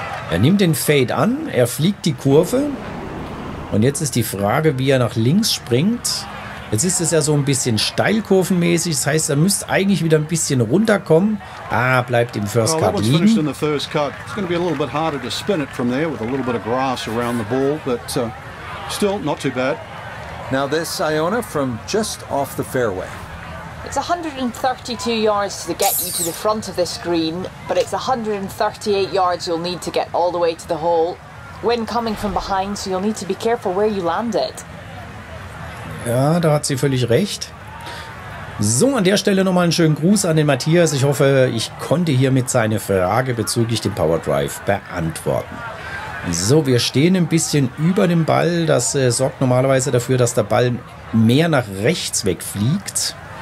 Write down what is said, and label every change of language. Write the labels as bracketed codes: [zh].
[de] Er nimmt den Fade an, er fliegt die Kurve. Und jetzt ist die Frage, wie er nach links springt. Jetzt ist es ja so ein bisschen steilkurvenmäßig. Das heißt, er müsste eigentlich wieder ein bisschen runterkommen. Ah, bleibt im First Cut liegen. [en] Well, that was finished in the first cut. It's going to be a little bit harder to spin it from there with a little bit of grass around the ball, but still not too bad. Now this Iona from just off the fairway. It's 132 yards to get you to the front of this green, but it's 138 yards you'll need to get all the way to the hole. Wind coming from behind, so you'll need to be careful where you land it. [de] Ja, da hat sie völlig recht. So, an der Stelle nochmal einen schönen Gruß an den Matthias. Ich hoffe, ich konnte hiermit seine Frage bezüglich dem Power Drive beantworten. So, wir stehen ein bisschen über dem Ball. Das sorgt normalerweise dafür, dass der Ball mehr nach rechts wegfliegt.